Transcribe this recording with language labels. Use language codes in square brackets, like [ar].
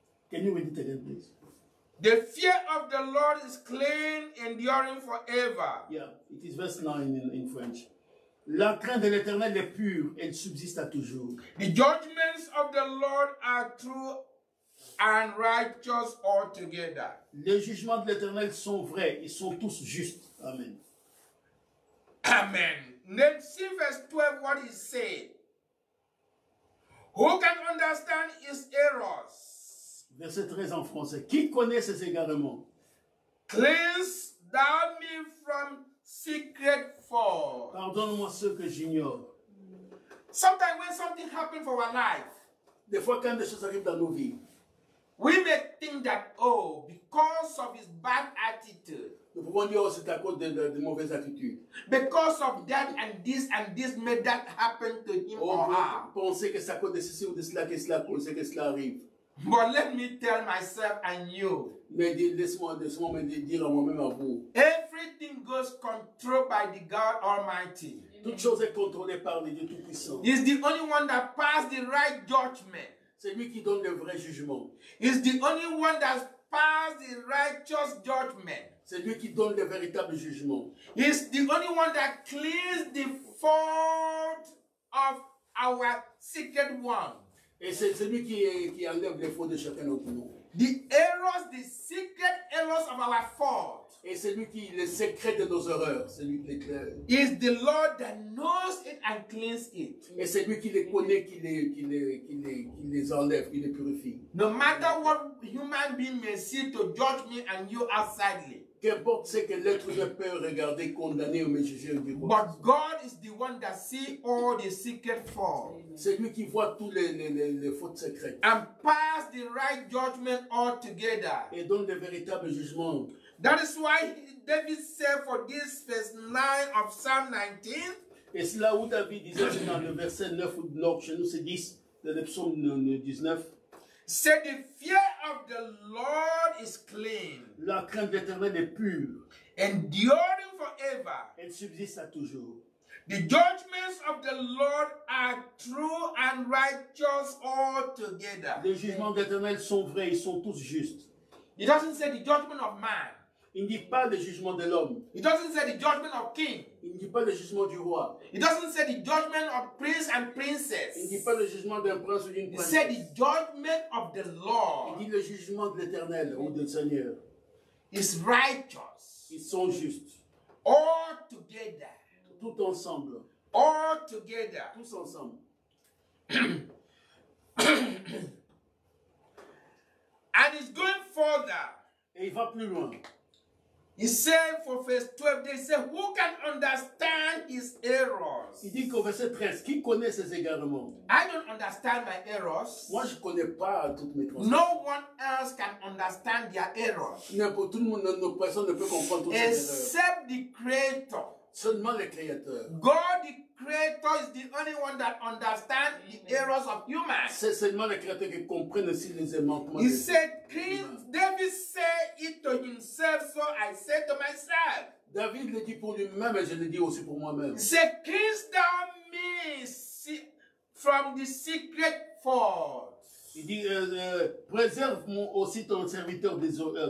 [en] Can you read it again, please? The fear of the Lord is clean, enduring forever. Yeah, it is verse 9 in French. [fr] La crainte de l'Éternel est pure, elle subsiste à toujours. [en] The judgments of the Lord are true and righteous altogether. [fr] Les jugements de l'Éternel sont vrais, ils sont tous justes. Amen. Amen. [en] Then see verse 12, what he said. Who can understand his errors? [fr] Verset 13 en français. Qui connaît ses égarements? [en] Cleanse thou me from secret faults. [fr] Pardonne-moi ce que j'ignore. [en] Sometimes when something happens for our life, [fr] des fois quand des choses arrivent dans nos vies, [en] we may think that oh, because of his bad attitude. [fr] Nous pouvons dire c'est à cause de mauvaise attitude. [en] Because of that and this may that happen to him or her. [fr] Penser que c'est à cause de ceci ou de cela que cela cause que cela arrive. [en] But let me tell myself and you. [fr] Mais laisse-moi me dire à moi-même à vous. [en] Everything goes controlled by the God Almighty. [fr] Toute chose est contrôlée par le Dieu Tout-Puissant. [en] He's the only one that passed the right judgment. [fr] C'est lui qui donne le vrai jugement. [en] He's the only one that passed the righteous judgment. [fr] C'est lui qui donne le véritable jugement. [en] He's the only one that cleans the fault of our secret one. [fr] Et c'est lui qui enlève les fautes de chacun d'entre nous. [en] The errors, the secret errors of our fault. [fr] Et c'est lui qui le secret de nos erreurs, c'est lui qui l'éclaire. [en] Is the Lord that knows it and cleans it. [fr] Et c'est lui qui les connaît, qui les enlève, qui les purifie. [en] No matter what human being may see to judge me and you outside. [fr] Qu'importe ce que l'être humain peut regarder, condamner ou me juger. [en] But God is the one that sees all the secret faults. [fr] C'est lui qui voit tous les fautes secrètes. [en] And pass the right judgment altogether. [fr] Et donne le véritable jugement. [en] That is why David said for this verse 9 of Psalm 19. [fr] Et c'est là où David disait dans le verset 9 ou l'option, c'est 10 de l'Epsaume 19. [en] Say the fear of the Lord is clean. [fr] La crainte de l'Éternel est pure. [en] Enduring forever. [fr] Elle subsiste à toujours. [en] The judgments of the Lord are true and righteous altogether. [fr] Les jugements d'Éternel sont vrais, ils sont tous justes. [en] It doesn't say the judgment of man. [fr] Il ne dit pas le jugement de l'homme. [en] It doesn't say the judgment of king. [fr] Il ne dit pas le jugement du roi. [en] It doesn't say the judgment of prince and princess. [fr] Il ne dit pas le jugement d'un prince ou d'une princesse. [en] It said the judgment of the Lord. [fr] Il dit le jugement de l'Éternel ou du Seigneur. [en] Is righteous. [fr] Ils sont justes. [en] All together. [fr] Tout ensemble. [en] All together. [fr] Tous ensemble. [en] And he's going further. [fr] Et il va plus loin. [en] He said for verse 12, they say, who can understand his errors? [fr] Il dit qu'au verset 13, qui connaît ses égarements? [en] I don't understand my errors. [fr] Moi, je connais pas toutes mes transgressions. [en] No one else can understand their errors. [fr] N'importe tout le monde, personne ne peut comprendre toutes ses erreurs. [en] Except the Creator. [fr] Seulement le Créateur. [en] God the Creator is the only one that understands the errors of humans. [fr] C'est seulement le Créateur qui comprend aussi les errements. [en] He said, "King David said it to himself, so I said to myself." [fr] David le dit pour lui-même et je le dis aussi pour moi-même. [en] He said, "Cleanse thou me from the secret fault." [fr] Il dit, préserve-moi aussi ton serviteur des erreurs.